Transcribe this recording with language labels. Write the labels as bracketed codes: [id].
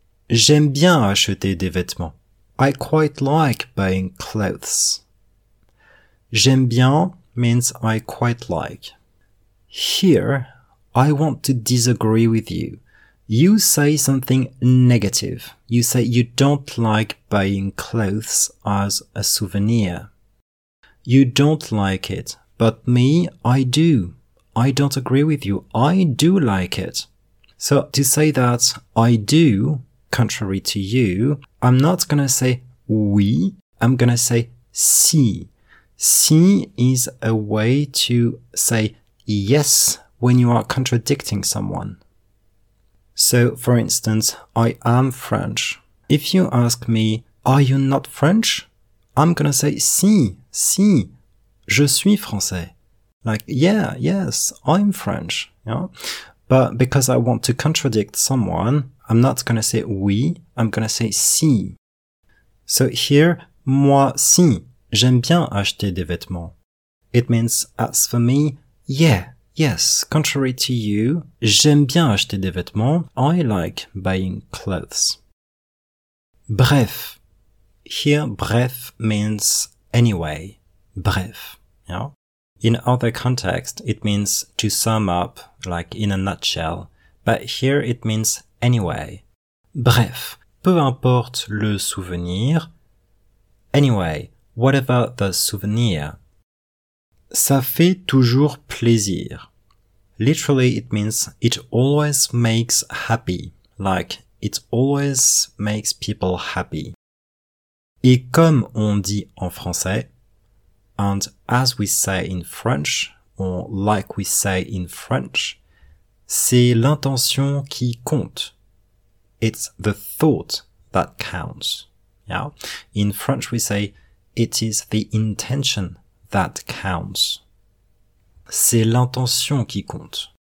[fr] J'aime bien acheter des vêtements. [en] I quite like buying clothes. J'aime bien means I quite like. Here, I want to disagree with you. You say something negative. You say you don't like buying clothes as a souvenir. You don't like it. But me, I do. I don't agree with you. I do like it. So to say that I do, contrary to you, I'm not going to say oui. I'm going to say si. Si is a way to say yes when you are contradicting someone. So, for instance, I am French. If you ask me, are you not French? I'm going to say, [fr] si, si, je suis français. [en] Like, yeah, yes, I'm French. Yeah? But because I want to contradict someone, I'm not going to say oui, I'm going to say si. So here, [fr] moi si, j'aime bien acheter des vêtements. [en] It means, as for me, yeah. Yes, contrary to you, [fr] j'aime bien acheter des vêtements. [en] I like buying clothes. Bref. Here, bref means anyway. Bref. Yeah? In other context, it means to sum up, like in a nutshell. But here, it means anyway. [fr] Bref. Peu importe le souvenir. [en] Anyway, whatever the souvenir. [fr] Ça fait toujours plaisir. [en] Literally, it means it always makes happy, like it always makes people happy. [fr] Et comme on dit en français, [en] and as we say in French, or like we say in French, [fr] c'est l'intention qui compte. [en] It's the thought that counts. Yeah? In French, we say it is the intention that counts. [fr] C'est l'intention qui compte.